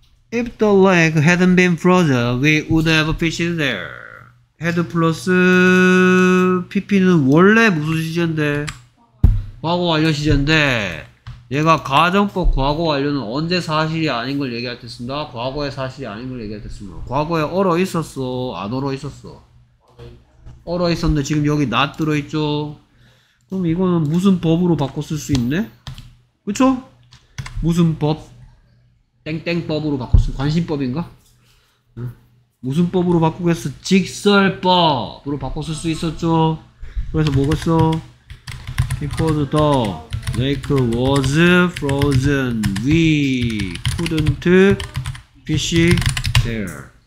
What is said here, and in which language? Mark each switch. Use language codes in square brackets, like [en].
[en] If the lake hadn't been frozen, we would have fished there. [ko] Had plus PP는 원래 무슨 시제인데? 과거 완료 시제인데 얘가 가정법 과거 완료는 언제 사실이 아닌 걸 얘기할 때 쓴다? 과거의 사실이 아닌 걸 얘기할 때 쓴다. 과거에 얼어 있었어? 안 얼어 있었어? 얼어 있었는데 지금 여기 not 들어있죠? 그럼 이거는 무슨 법으로 바꿔 쓸 수 있네? 그쵸? 무슨 법? 땡땡법으로 바꿨어. 관심법인가? 응. 무슨 법으로 바꾸겠어? 직설법으로 바꿨을 수 있었죠. 그래서 뭐겠어? [en] Because the lake was frozen, we couldn't fish there.